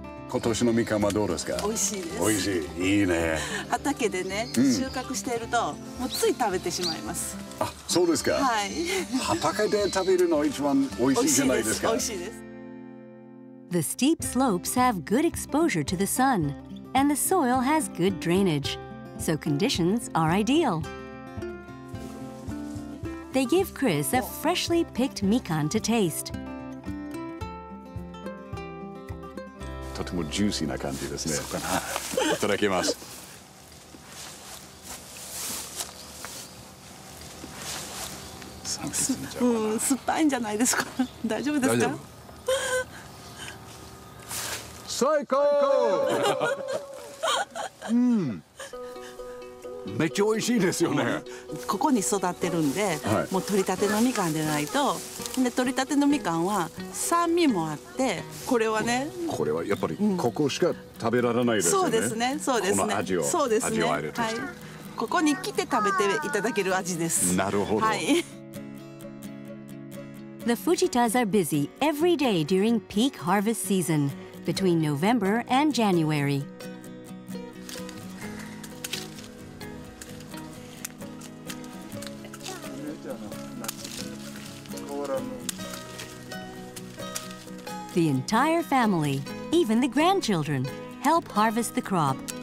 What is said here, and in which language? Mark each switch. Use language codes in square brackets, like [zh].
[ja] 今年のみかんはどうですか。美味しいです。美味しい。いいね。畑でね、収穫していると、もうつい食べてしまいます。あ、そうですか。はい。畑で食べるの一番美味しいじゃないですか。美味しいです。 [en] The steep slopes have good exposure to the sun, and the soil has good drainage, so conditions are ideal. They give Chris a freshly picked みかんと taste. [ja] とてもジューシーな感じですね。そうかな。いただきます。うん、酸っぱいんじゃないですか。大丈夫ですか。最高。うん。めっちゃ美味しいですよね。ここに育ってるんで、はい、もう取りたてのみかんでないと。で、取りたてのみかんは酸味もあって、これはね、これはやっぱりここしか食べられないですよね。そうですね、そうですね。この味を、そうですね、味わえるとして、はい、ここに来て食べていただける味です。なるほど、はい、 [en] The Fujitas are busy every day during peak harvest season between November and JanuaryThe entire family, even the grandchildren, help harvest the crop.